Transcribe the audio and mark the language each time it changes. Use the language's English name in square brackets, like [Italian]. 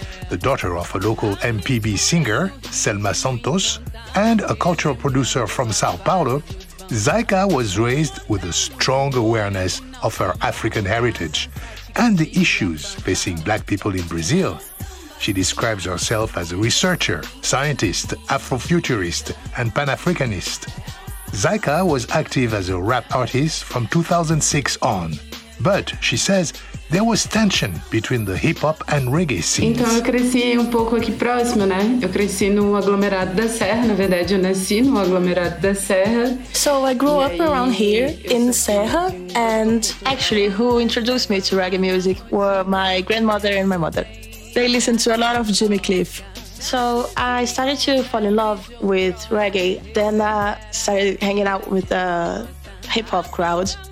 [English] The daughter of a local MPB singer, Selma Santos, and a cultural producer from Sao Paulo, Zaika was raised with a strong awareness of her African heritage and the issues facing black people in Brazil. She describes herself as a researcher, scientist, Afrofuturist, and Pan-Africanist. Zaika was active as a rap artist from 2006 on, but she says there was tension between the hip-hop and reggae scenes. [Portuguese] Então eu cresci um pouco aqui próximo, né? Eu cresci no aglomerado da Serra, na verdade eu nasci no aglomerado da Serra. [English] So I grew up around here in Serra, and actually who introduced me to reggae music were my grandmother and my mother. They listened to a lot of Jimmy Cliff. So I started to fall in love with reggae, then I started hanging out with the hip-hop crowd.